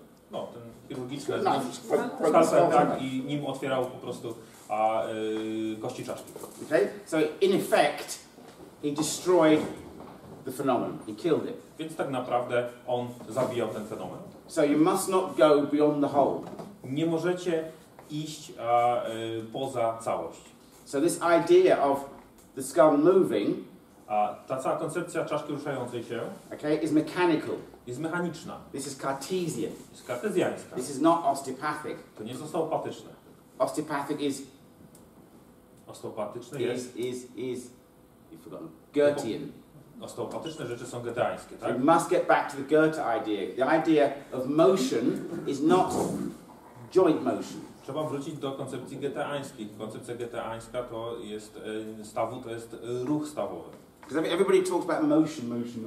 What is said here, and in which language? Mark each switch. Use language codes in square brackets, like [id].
[pl] No, ten chirurgiczny tak, i nim otwierał po prostu kości czaszki. [en] Okay? So in effect he destroyed the phenomenon. He killed it. [pl] Więc tak naprawdę on zabijał ten fenomen. [en] So you must not go beyond the whole. [pl] Nie możecie iść poza całość. [en] So this idea of the skull moving, [pl] ta cała koncepcja czaszki ruszającej się, [en] okay, is mechanical. [pl] Jest mechaniczna. [en] This is Cartesian. [pl] Jest kartezjańska. [en] This is not osteopathic. [pl] To nie jest osteopatyczne. [en] Osteopathic is. [pl] Osteopatyczne jest. [en] Is. You've forgotten. Goethean. [pl] Osteopatyczne rzeczy są goetańskie, tak? [en] So you must get back to the Goethe idea. The idea of motion is not joint motion. [pl] Trzeba wrócić do koncepcji goetańskiej. Koncepcja goetańska to jest stawu, to jest ruch stawowy. [en] Because everybody talks about motion.